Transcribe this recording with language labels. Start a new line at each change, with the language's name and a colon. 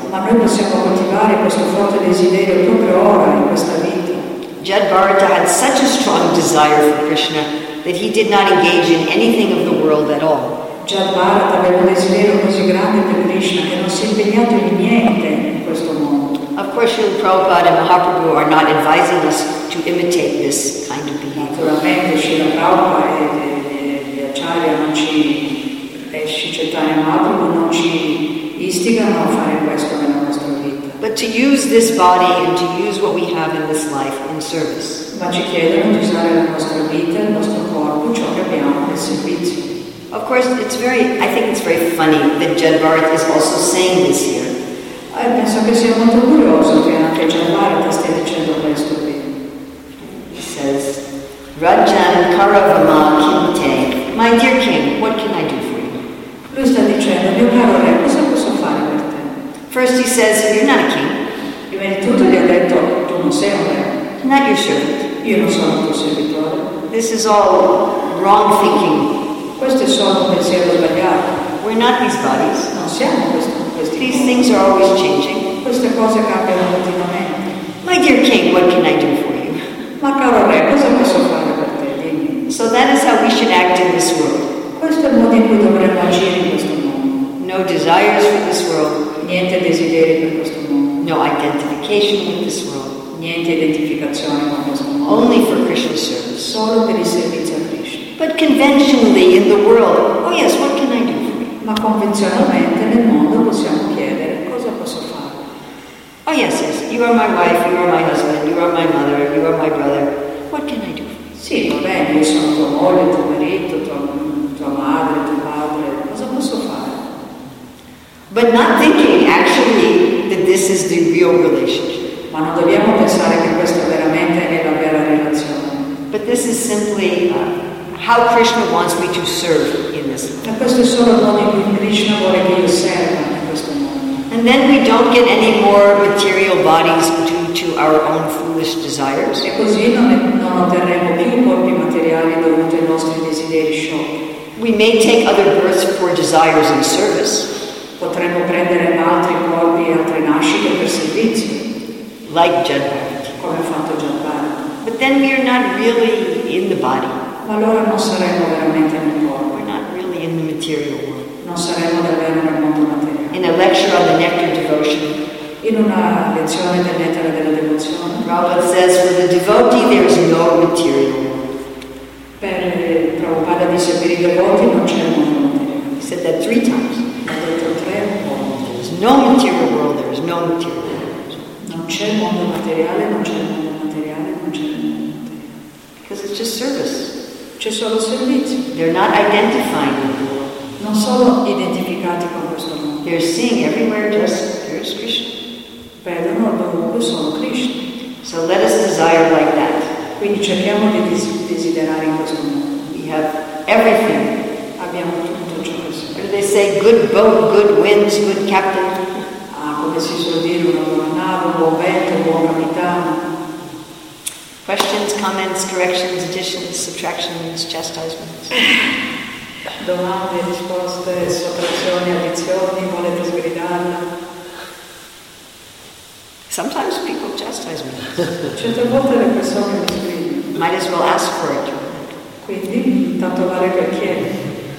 Italian: Ma noi possiamo coltivare questo forte desiderio proprio ora in questa vita.
English: Jed Bharata had such a strong desire for Krishna that he did not engage in anything of the world at all.
Italian: Jed Bharata aveva un desiderio così grande per Krishna che non si è impegnato in niente.
English: Of course, Srila Prabhupada and Mahaprabhu are not advising us to imitate this kind of behavior.
Italian: Naturalmente, Srila Prabhupada e gli acharya non ci eccitano, Mahaprabhu non ci istigano a fare questo nella nostra vita.
English: But to use this body and to use what we have in this life in service.
Italian: Ma ci chiedono di usare la nostra vita, il nostro corpo, ciò che abbiamo nel servizio.
English: Of course, I think it's very funny that Jed Bharata is also saying this here.
Italian: Penso che sia molto curioso che anche Jed Bharata stia dicendo questo qui.
English: He says,
Sanskrit: Rajan Karavama Kinte,
English: my dear king, what can I do for you?
Italian: Lui sta dicendo, mio caro re, cosa posso fare per te?
English: First he says, you're not a king.
Italian: Prima di tutto gli ha detto, tu non sei un re.
English: Not your servant.
Italian: Io non sono tuo servitore.
English: This is all wrong thinking.
Italian: Questo è solo un pensiero sbagliato.
English: We're not these bodies.
Italian: Non siamo questo.
English: These things are always changing.
Italian: Queste cose cambiano continuamente.
English: My dear king, what can I do for you?
Italian: Ma caro re, cosa posso fare per te?
English: So that is how we should act in this world.
Italian: Questo è il modo in cui dovremmo agire in questo mondo.
English: No desires for this world.
Italian: Niente desideri per questo mondo.
English: No identification with this world.
Italian: Niente identificazione con questo mondo.
English: Only for Krishna's service.
Italian: Solo per i servizi a Krishna.
English: But conventionally in the world, oh yes, what can I do?
Italian: Ma convenzionalmente nel mondo possiamo chiedere cosa posso fare.
English: Oh yes, yes, you are my wife, you are my husband, you are my mother, you are my brother. What can I do?
Italian: Sì, va bene, io sono tua moglie, tuo marito, tua madre, tuo padre. Cosa posso fare?
English: But not thinking actually that this is the real relationship.
Italian: Ma non dobbiamo pensare che questa veramente è la vera relazione.
English: But this is simply how Krishna wants me to serve.
Italian: E questo è solo il modo in cui Krishna vuole che io serva in questo mondo.
English: And then we don't get any more material bodies due to our own foolish desires.
Italian: E così non otterremo più corpi materiali dovuti ai nostri desideri sciocchi.
English: We may take other births for desires in service.
Italian: Potremmo prendere altri corpi e altre nascite per servizio.
English: Like Jed Bharata.
Italian: Come ha fatto Jed Bharata.
English: But then we are not really in the body.
Italian: Ma allora non saremo veramente nel corpo.
English: In the material world.
Italian: Non saremo davvero nel mondo materiale.
English: In a lecture on the nectar devotion.
Italian: In una lezione del nettare della devozione.
English: Prabhupada says, for the devotee there is no material world.
Italian: Prabhupada dice per i devoti non c'è mondo materiale.
English: He said that three times.
Italian: Ha detto tre volte.
English: There is no material world. There is no material world.
Italian: Non c'è mondo materiale. Non c'è mondo materiale. Non c'è mondo materiale.
English: Because it's just service.
Italian: C'è solo servizio.
English: They're not identifying the world.
Italian: Non sono identificati con questo mondo.
English: They're seeing everywhere just here's Krishna.
Italian: Vedono comunque sono Krishna.
English: So let us desire like that.
Italian: Quindi cerchiamo di desiderare in questo modo.
English: We have everything.
Italian: Abbiamo tutto ciò che serve.
English: They say good boat, good winds, good captain.
Italian: Ah, come si suol dire, una buona nave, un buon vento, un buon capitano.
English: Questions, comments, corrections, additions, subtractions, chastisements.
Italian: Domande, risposte, sottrazioni, addizioni, volete sgridarla?
English: Sometimes people chastise me.
Italian: Certe volte le persone mi sgridano.
English: Might as well ask for it.
Italian: Quindi, tanto vale che chiedi.